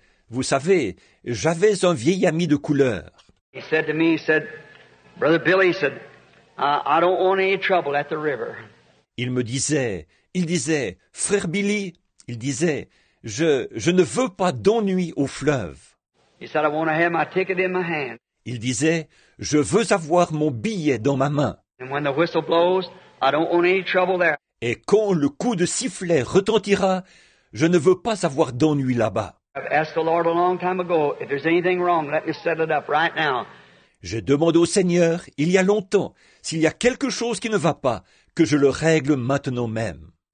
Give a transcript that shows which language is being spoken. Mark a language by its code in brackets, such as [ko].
[fr] Vous savez, j'avais un vieil ami de couleur. [en] He said to me, he said, Brother Billy, he said, I don't want any trouble at the river. [fr] Il me disait, Frère Billy, il disait, je ne veux pas d'ennui au fleuve. [en] He said, I want to have my ticket in my hand. [fr] Il disait, je veux avoir mon billet dans ma main. [en] And when the whistle blows, I don't want any trouble there. [fr] Et quand le coup de sifflet retentira, je ne veux pas avoir d'ennui là-bas. [en] I've asked the Lord a long time ago, if there's anything wrong, let me set it up right now. [fr] J'ai demandé au Seigneur, il y a longtemps, s'il y a quelque chose qui ne va pas, que je le règle maintenant même.